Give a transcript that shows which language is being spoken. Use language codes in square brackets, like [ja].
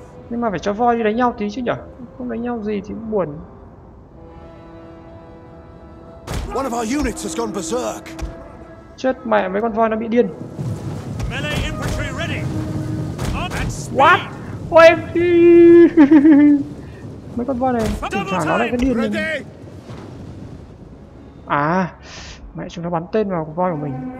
[vi] Nhưng mà phải cho voi đi đánh nhau tí chứ nhở? Không đánh nhau gì thì buồn. [en] One of our units has gone berserk. [vi] Chết mẹ mấy con voi nó bị điên. [en] Melee infantry ready. What? OMG. [vi] Mấy con voi này thỉnh thoảng nó lại cứ điên lên. À, mẹ chúng nó bắn tên vào voi của mình.